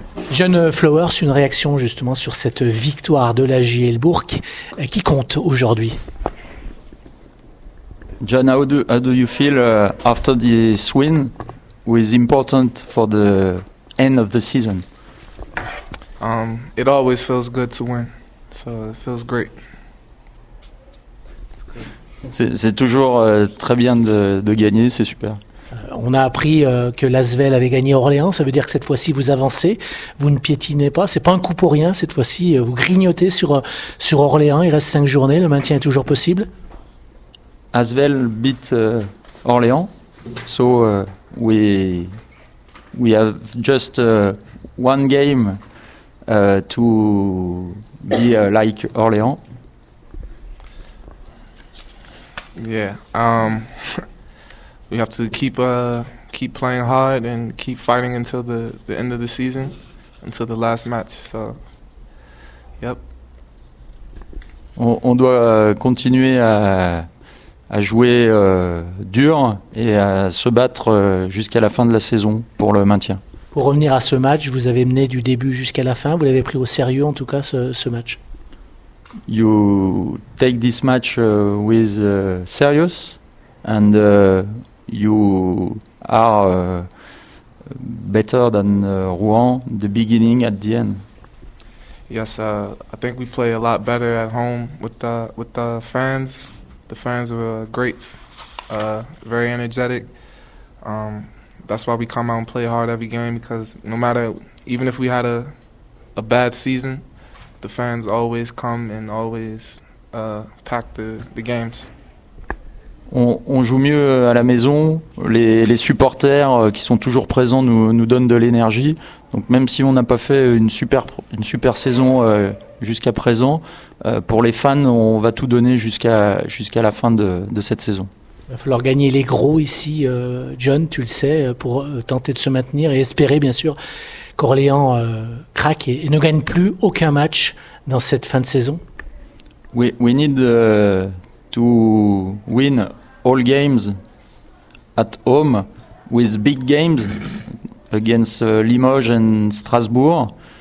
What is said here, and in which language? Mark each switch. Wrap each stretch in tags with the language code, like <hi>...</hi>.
<fr>Jeune Flowers, une réaction justement sur cette victoire de la JL Bourg qui compte aujourd'hui.</fr> <en>John, how do you feel after this win, who is important for the end of the season? It always feels good to win, so it feels great.</en> <fr>C'est toujours très bien de gagner, c'est super. On a appris que l'ASVEL avait gagné Orléans, ça veut dire que cette fois-ci vous avancez, vous ne piétinez pas, c'est pas un coup pour rien cette fois-ci, vous grignotez sur Orléans, il reste 5 journées, le maintien est toujours possible.</fr> <en>ASVEL beat Orléans, so we have just one game to be like Orléans. Yeah, we have to keep playing hard and keep fighting until the end of the season, until the last match. So, yep.</en> <fr>On doit continuer à jouer dur et à se battre jusqu'à la fin de la saison pour le maintien. Pour revenir à ce match, vous avez mené du début jusqu'à la fin. Vous l'avez pris au sérieux, en tout cas, ce match.</fr> <en>You take this match with serious, and you are better than Rouen the beginning at the end. Yes, I think we play a lot better at home with the fans. The fans were great, very energetic. That's why we come out and play hard every game, because no matter, even if we had a bad season, the fans always come and always pack the games.</en> <fr>On joue mieux à la maison. Les supporters qui sont toujours présents nous donnent de l'énergie. Donc même si on n'a pas fait une super saison jusqu'à présent, pour les fans, on va tout donner jusqu'à la fin de cette saison. Il va falloir gagner les gros ici, John, tu le sais, pour tenter de se maintenir et espérer, bien sûr, qu'Orléans craque et ne gagne plus aucun match dans cette fin de saison.</fr> <en>We need to win all games at home with big games against Limoges and Strasbourg.</en>